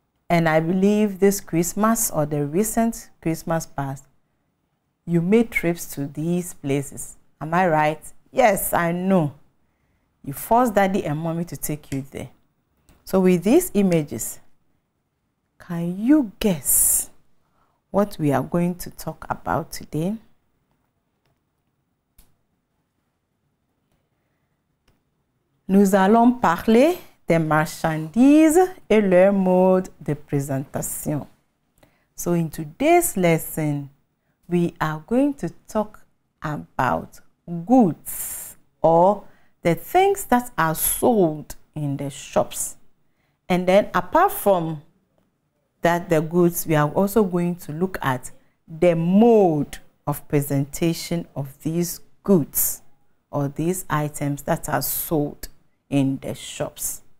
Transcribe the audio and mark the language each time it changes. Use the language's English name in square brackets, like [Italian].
[English] And I believe this Christmas or the recent Christmas past, you made trips to these places. Am I right? Yes, I know. You forced daddy and mommy to take you there. So with these images, can you guess what we are going to talk about today? [French] Nous allons parler des marchandises et leur mode de présentation. [English] So in today's lesson, we are going to talk about goods or the things that are sold in the shops. And then apart from that the goods, we are also going to look at the mode of presentation of these goods or these items that are sold in the shops.